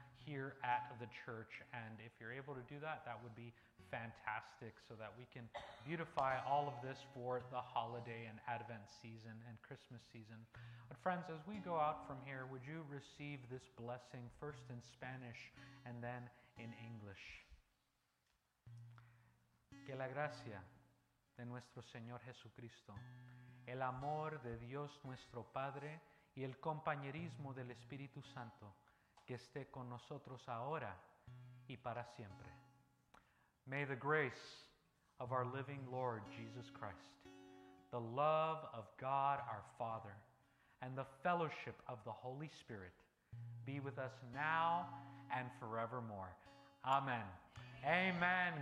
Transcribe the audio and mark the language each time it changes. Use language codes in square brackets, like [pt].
[en] here at the church. And if you're able to do that, that would be fantastic so that we can beautify all of this for the holiday and Advent season and Christmas season. But friends, as we go out from here, would you receive this blessing first in Spanish and then in English? [es] Que la gracia de nuestro Señor Jesucristo, el amor de Dios nuestro Padre y el compañerismo del Espíritu Santo que esté con nosotros ahora y para siempre. [en] May the grace of our living Lord Jesus Christ, the love of God our Father, and the fellowship of the Holy Spirit be with us now and forevermore. Amen. Amen.